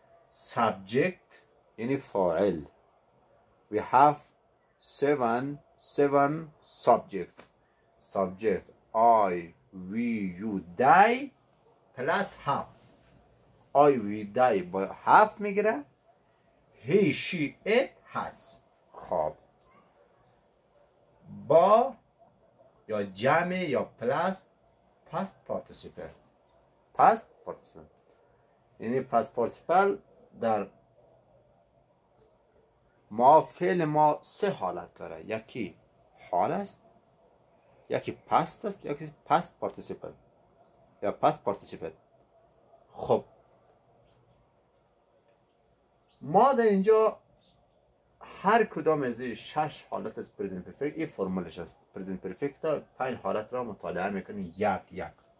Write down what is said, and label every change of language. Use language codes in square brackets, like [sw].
[fa] Subject یعنی فاعل. [en] We have seven subject. Subject I, we, you, they plus have. [fa] I, we, they با have میگیره. [en] He, she, it has. [fa] خب با یا جمع یا plus past participle. [en] Past participle یعنی past participle. [fa] در ما فعل ما سه حالت داره، یکی حال است، یکی پست است، یکی پست پارتیسیپل یا پست پارتیسیپل. خب ما در اینجا هر کدام از این 6 حالت از پرزنت پرفکت، این فرمولش است، پرزنت پرفکت 5 حالت را مطالعه میکنیم یک یک.